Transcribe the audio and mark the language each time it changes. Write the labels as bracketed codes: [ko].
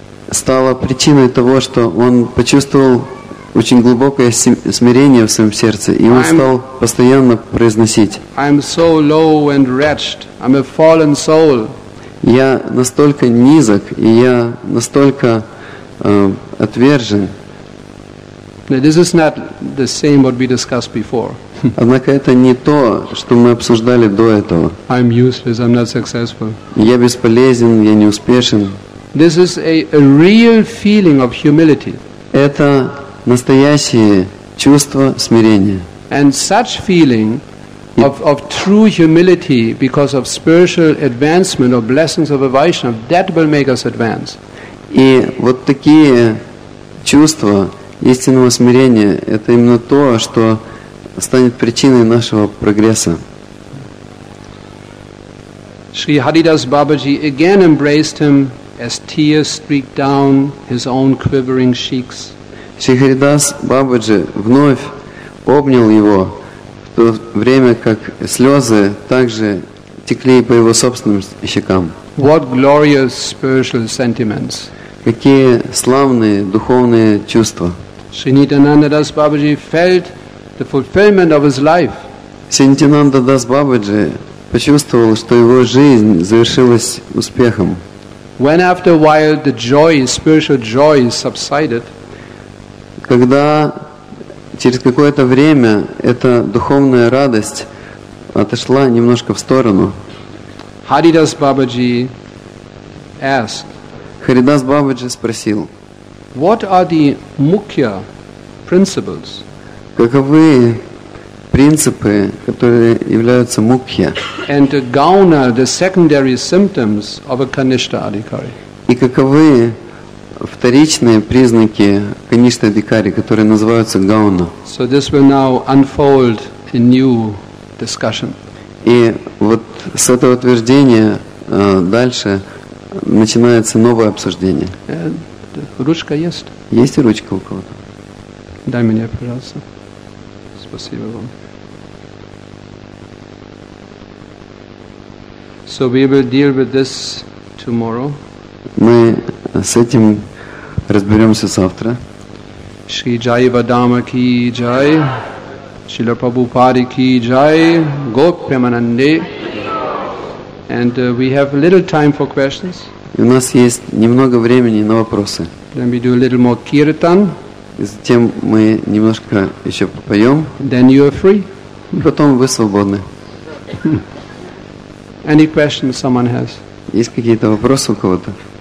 [ru] Стало причиной того, что он почувствовал очень глубокое смирение в своем сердце, и он стал постоянно произносить: [en] I'm so low and wretched. I'm a fallen soul. [ru] Я настолько низок, и я настолько отвержен. [en] This is not the same what we discussed before. [ru] Однако это не то, что мы обсуждали до этого. [en] I'm useless, I'm not successful. [ru] Я бесполезен, я не успешен. [en] This is a real feeling of humility. [ru] Это настоящее чувство смирения. [en] And such feeling of true humility because of spiritual advancement or blessings of a Vaishnava, that will make us advance. [ru] И вот такие чувства истинного смирения, это именно то, что станет причиной нашего прогресса. [en] Shri Haridas Babaji again embraced him as tears streaked down his own quivering cheeks. [ru] Shri Haridas Babaji вновь обнял его, в то время как слезы также текли по его собственным щекам. [en] What glorious spiritual sentiments. [ru] Какие славные духовные чувства. [en] Shri Nityananda Das Babaji felt the fulfillment of his life. [ru] Shri Nityananda Das Babaji почувствовал, что его жизнь завершилась успехом. [en] When after a while the joy, spiritual joy subsided, [ru] когда через какое-то время эта духовная радость отошла немножко в сторону. [en] Haridas Babaji asked. [ru] Haridas Babaji спросил. [en] What are the mukhya principles? [ru] Каковы принципы, которые являются мукхья? [en] And the gauna, the secondary symptoms of a kanishtha adhikari. [ru] И каковы вторичные признаки каништа дикари, которые называются гауна. [en] So this will now unfold a new discussion. [ru] И вот с этого утверждения дальше начинается новое обсуждение. Ручка есть? Есть ручка у кого-то? Дай мне, пожалуйста. Спасибо вам. [en] So we will deal with this tomorrow. [ru] Мы с этим разберемся завтра. Шри Джай Вадама ки джай, Шрила Прабхупада ки джай, Гоп Премананде. [en] And we have a little time for questions. [ru] И у нас есть немного времени на вопросы. [en] Then we do a little more kirtan. [ru] И затем мы немножко еще попоем. [en] Then you are free. [ru] Потом вы свободны. [en] Any questions someone has? [ru] Есть какие-то вопросы у кого-то?